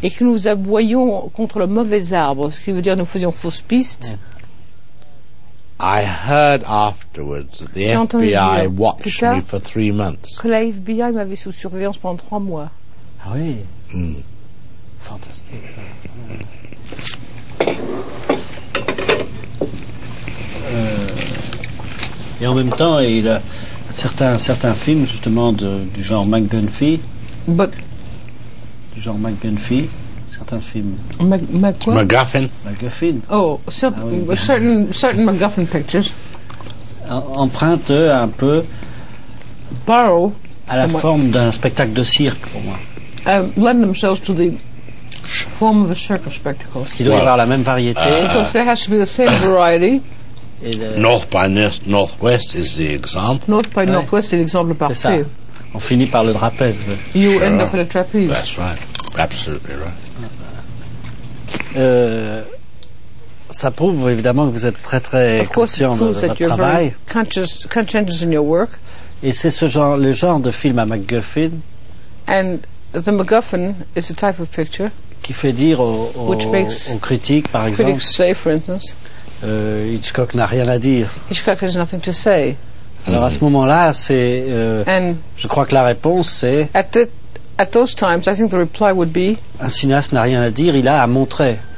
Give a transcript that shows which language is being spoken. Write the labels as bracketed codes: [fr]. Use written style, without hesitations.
[fr] Et que nous aboyions contre le mauvais arbre, ce qui veut dire nous faisions fausse piste. [en] I heard afterwards that the FBI watched me for 3 months. [fr] Que la FBI m'avait sous surveillance pendant 3 mois. Ah oui. Fantastique. Et en même temps, il a certains films justement du genre McGunphy. [en] But [fr] du genre McGunphy, certains films. MacGuffin. MacGuffin. [en] Oh, certain MacGuffin pictures. [fr] Emprunte un peu. [en] Borrow. [fr] À la forme d'un spectacle de cirque, pour moi. [en] Lend themselves to the form of a circus spectacle. [fr] Il doit y avoir la même variété. [en] There has to be the same variety. Northwest is the example. [fr] North by Northwest est l'exemple parfait. On finit par le trapèze. [en] You sure. End up at a trapeze. That's right. Absolutely right. [fr] Ça prouve évidemment que vous êtes très très conscient de votre [en] you're [fr] travail. [en] Very conscientious in your work. [fr] Et c'est le genre de film à MacGuffin. [en] And the MacGuffin is a type of picture. [fr] Qui fait dire aux critiques, par exemple, [en] say, for instance, [fr] Hitchcock n'a rien à dire. [en] Hitchcock has nothing to say. [fr] Alors à ce moment-là, c'est. Je crois que la réponse c'est. [en] At those times, I think the reply would be. [fr] Un cinéaste n'a rien à dire, il a à montrer.